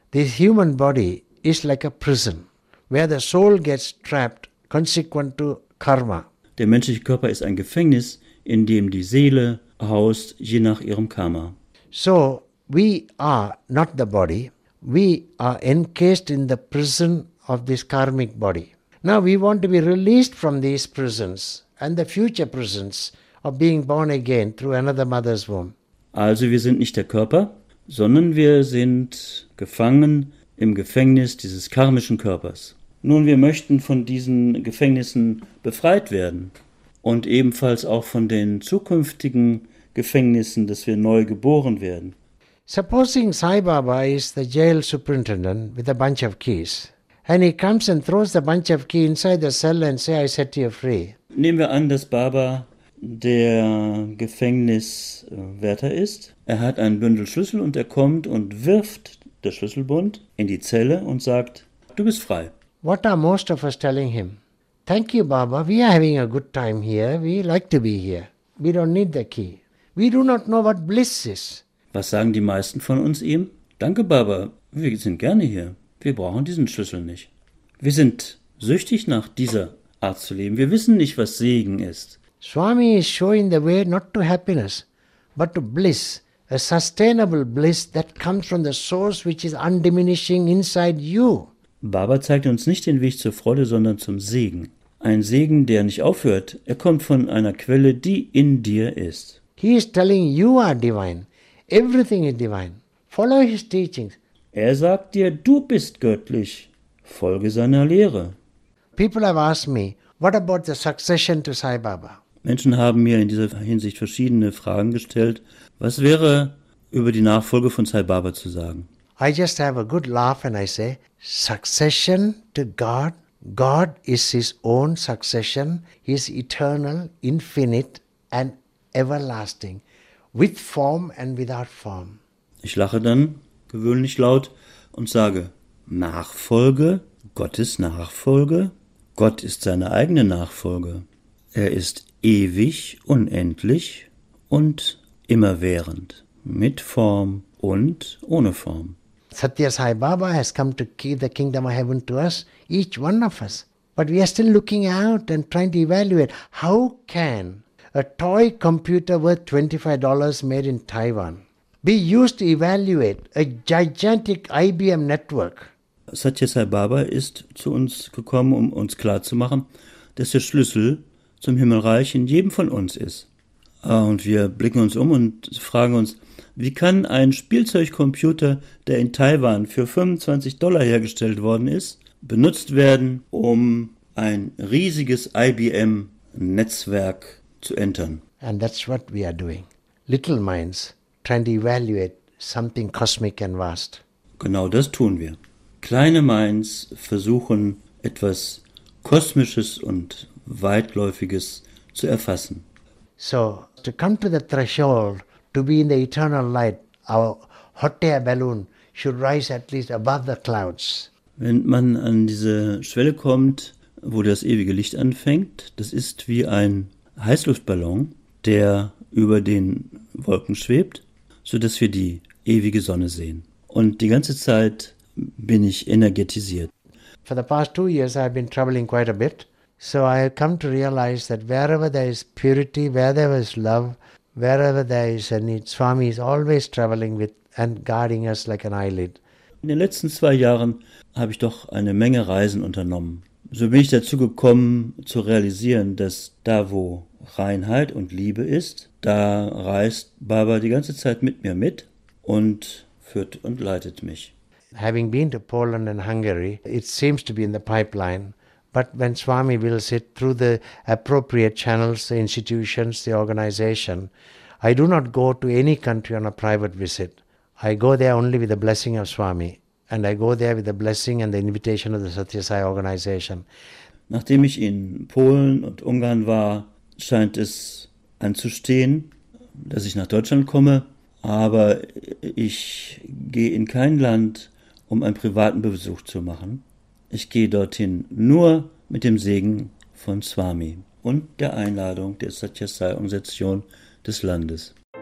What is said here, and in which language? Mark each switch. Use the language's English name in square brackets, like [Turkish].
[English] This human body is like a prison, where the soul gets trapped consequent to karma. [German] Der menschliche Körper ist ein Gefängnis, in dem die Seele haust, je nach ihrem Karma. [English] So, we are not the body. We are encased in the prison of this karmic body. Now we want to be released from these prisons and the future prisons of being born again through another mother's womb. [German] Also wir sind nicht der Körper, sondern wir sind gefangen im Gefängnis dieses karmischen Körpers. Nun, wir möchten von diesen Gefängnissen befreit werden und ebenfalls auch von den zukünftigen Gefängnissen, dass wir neu geboren werden. [English] Supposing Sai Baba is the jail superintendent with a bunch of keys. And he comes and throws the bunch of keys inside the cell and says, I set you free. [German] Nehmen wir an, dass Baba der Gefängniswärter ist. Er hat ein Bündel Schlüssel und er kommt und wirft das Schlüsselbund in die Zelle und sagt, du bist frei. [English] What are most of us telling him? Thank you, Baba. We are having a good time here. We like to be here. We don't need the key. We do not know what bliss is. [German] Was sagen die meisten von uns ihm? Danke, Baba. Wir sind gerne hier. Wir brauchen diesen Schlüssel nicht. Wir sind süchtig nach dieser Art zu leben. Wir wissen nicht, was Segen ist. [English] Swami is showing the way not to happiness, but to bliss. A sustainable bliss that comes from the source which is undiminishing inside you. [German] Baba zeigt uns nicht den Weg zur Freude, sondern zum Segen. Ein Segen, der nicht aufhört. Er kommt von einer Quelle, die in dir ist. [English] He is telling you are divine. Everything is divine. Follow his teachings. [German] Er sagt dir, du bist göttlich. Folge seiner Lehre. [English] People have asked me, what about the succession to Sai Baba? [German] Menschen haben mir in dieser Hinsicht verschiedene Fragen gestellt. Was wäre über die Nachfolge von Sai Baba zu sagen? [English] I just have a good laugh and I say, succession to God. God is his own succession. He is eternal, infinite and everlasting. With form and without form. [German] Ich lache dann gewöhnlich laut und sage, Nachfolge, Gottes Nachfolge. Gott ist seine eigene Nachfolge. Er ist ewig, unendlich und immerwährend. Mit Form und ohne Form. [English] Satya Sai Baba has come to keep the kingdom of heaven to us, each one of us. But we are still looking out and trying to evaluate how can a toy computer worth $25 made in Taiwan be used to evaluate a gigantic IBM network. [German] Satya Sai Baba ist zu uns gekommen, um uns klar zu machen, dass der Schlüssel zum Himmelreich in jedem von uns ist. Und wir blicken uns um und fragen uns, wie kann ein Spielzeugcomputer, der in Taiwan für $25 hergestellt worden ist, benutzt werden, um ein riesiges IBM-Netzwerk zu entern? [English] And that's what we are doing. Little minds trying to evaluate something cosmic and vast. [German] Genau das tun wir. Kleine Minds versuchen, etwas Kosmisches und Weitläufiges zu erfassen. [English] So, to come to the threshold, to be in the eternal light, our hot air balloon should rise at least above the clouds. [German] Wenn man an diese Schwelle kommt, wo das ewige Licht anfängt, das ist wie ein Heißluftballon, der über den Wolken schwebt, sodass wir die ewige Sonne sehen. Und die ganze Zeit bin ich energetisiert. [English] For the past 2 years I've been traveling quite a bit. So I have come to realize that wherever there is purity, wherever is love, wherever there is a need, Swami is always traveling with and guarding us like an eyelid. [German] in den letzten 2 Jahren habe ich doch eine Menge Reisen unternommen. So bin ich dazu gekommen, zu realisieren, dass da, wo Reinheit und Liebe ist, da reist Baba die ganze Zeit mit mir mit und führt und leitet mich. [English] Having been to Poland and Hungary, it seems to be in the pipeline. But when Swami wills it, through the appropriate channels, the institutions, the organization, I do not go to any country on a private visit. I go there only with the blessing of Swami. And I go there with the blessing and the invitation of the Satya Sai organization. [German] Nachdem ich in Polen und Ungarn war, scheint es anzustehen, dass ich nach Deutschland komme. Aber ich gehe in kein Land, um einen privaten Besuch zu machen. Ich gehe dorthin nur mit dem Segen von Swami und der Einladung der Satya Sai Organisation des Landes.